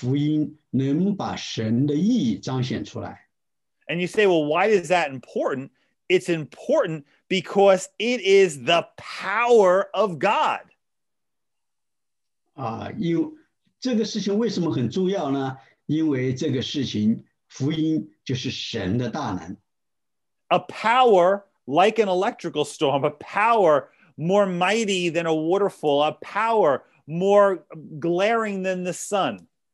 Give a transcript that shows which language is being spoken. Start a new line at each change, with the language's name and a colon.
Chinese: 这个地方为什么说基督的福音能把神的义彰显出来？
English: And you say, well, why is that important? It's important because it is the power of God.
Chinese: 这个事情为什么很重要呢?因为这个事情福音就是神的大能。
English: A power like an electrical storm, a power more mighty than a waterfall, a power more glaring than the sun.